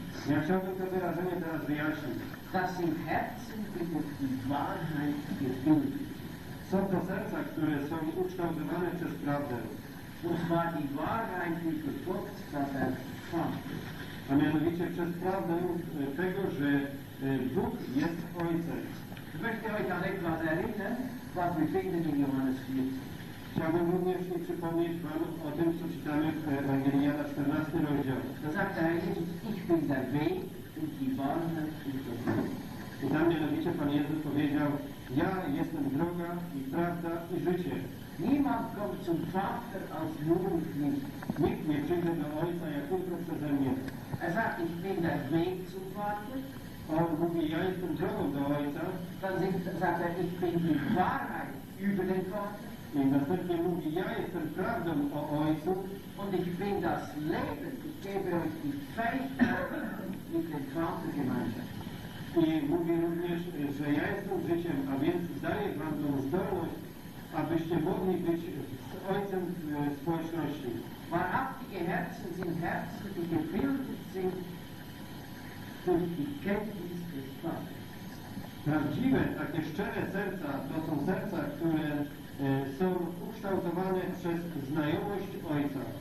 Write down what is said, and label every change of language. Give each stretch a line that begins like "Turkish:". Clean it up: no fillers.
Polish: Ja chciałbym to wyrażenie teraz wyjaśnić.
German: Dass im Herzen die Wahrheit gefunden.
Polish: Są to serca, które są ukształtowane przez prawdę.
German: Und zwar die Wahrheit, die für Gott verfügbar.
Polish: A mianowicie przez prawdę tego, że Bóg jest Ojcem.
German: Möchte euch an etwas erinnern, was wir finden in Johannes 14.
Polish: Chciałbym również nie przypomnieć Wam o tym, co czytamy w Ewangelii Jana 14 rozdział.
German: To sagt er Jesus, ich bin der Weg und die Wahrheit und das Leben.
Polish: I tam mianowicie Pan Jezus powiedział, ja jestem droga i prawda i życie.
German: Niemand kommt zum Vater als nur durch mich.
Polish: Nikt nie przyjdzie do Ojca, jak tylko przeze mnie.
German: Er sagt, ich bin der Weg zum Vater.
Polish: On mówi, ja jestem drogą do Ojca.
German: Dann sagt er, ich bin die Wahrheit über den Vater.
Polish: I następnie mówi, ja jestem prawdą o Ojcu.
German: Und ich bin das Leben, ich gebe euch die Fähigkeit mit dem Vater gemeinsam.
Polish: I mówi również, że ja jestem życiem, a więc daję Wam tą zdolność, abyście mogli być z Ojcem w społeczności.
German: Wahrhaftige Herzen sind Herzen, die gebildet sind durch die Kenntnis des Vaters.
Polish: Prawdziwe, takie szczere serca, to są serca, które są ukształtowane przez znajomość Ojca.